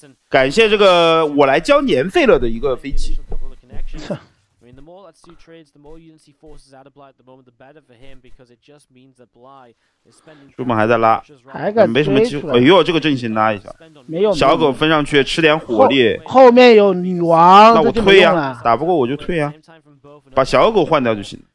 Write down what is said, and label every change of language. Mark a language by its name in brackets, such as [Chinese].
[Chinese] 感谢这个我来交年费了的一个飞机。 [English] The more that Sue trades, the more UNC forces out of Bly at the moment, the better for him because it just means that Bly is spending. [Chinese] 朱满还在拉，还敢没什么机会？哎呦，这个阵型拉一下，没有小狗分上去吃点火力。后面有女王，那我退呀，打不过我就退呀，把小狗换掉就行。